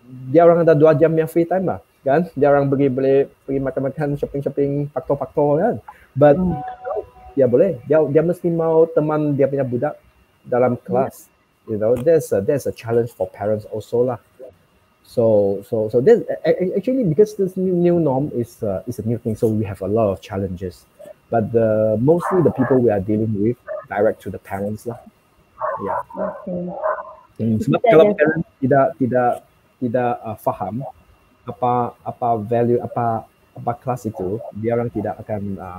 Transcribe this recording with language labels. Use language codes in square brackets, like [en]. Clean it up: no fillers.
[ms] Dia orang ada 2 jam yang free time lah, kan? Dia orang pergi pergi makan-makan, shopping-shopping, faktor-faktor kan? But ya boleh. Dia mesti mau teman dia punya budak dalam kelas. [en] You know, there's a challenge for parents also lah. So this actually because this new norm is a new thing, so we have a lot of challenges. But the mostly the people we are dealing with direct to the parents lah. Yeah. Okay. [ms] Sebab kalau parents tidak faham apa value apa kelas itu, dia orang tidak akan